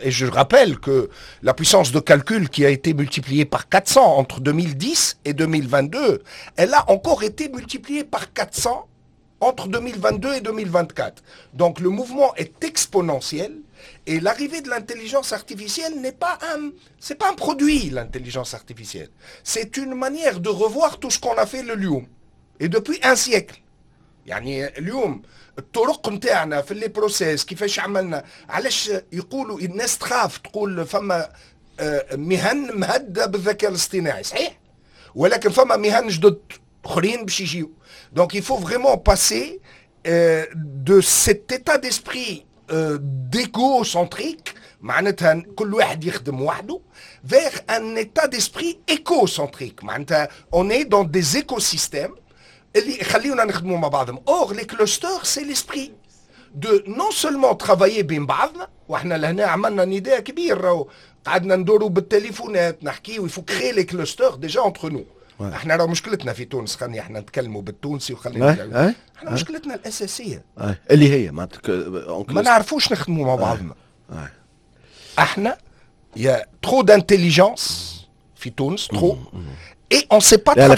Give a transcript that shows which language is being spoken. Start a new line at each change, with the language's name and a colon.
French: Et je rappelle que la puissance de calcul qui a été multipliée par 400 entre 2010 et 2022, elle a encore été multipliée par 400 entre 2022 et 2024. Donc le mouvement est exponentiel et l'arrivée de l'intelligence artificielle n'est pas c'est pas un produit, l'intelligence artificielle. C'est une manière de revoir tout ce qu'on a fait le lium. Et depuis un siècle.
Arabic: يعني اليوم الطرق نتاعنا في لي بروسيس كيفاش عملنا علاش يقولوا الناس تخاف تقول فما مهن مهدده بالذكاء الاصطناعي صحيح ولكن فما مهن جدد اخرين باش يجيو
French: Donc il faut vraiment passer de cet état d'esprit d'égocentrique,
Arabic: معناتها كل واحد يخدم وحده,
French: vers un état d'esprit écocentrique,
Arabic: معناتها
French: on est dans des écosystèmes,
Arabic: اللي خليونا نخدموا مع بعضهم.
French: Or les clusters c'est l'esprit de non seulement travailler
Arabic: بين بعضنا, وحنا لهنا عملنا نداء كبير, قعدنا ندورو بالتليفونات نحكيو,
French: il faut créer les clusters déjà entre nous.
Arabic: احنا راه مشكلتنا في تونس خلينا احنا نتكلموا بالتونسي وخلينا احنا مشكلتنا الاساسيه اللي هي ما نعرفوش نخدموا مع بعضنا احنا يا ترو دانتيليجونس في تونس ترو اي اون سي با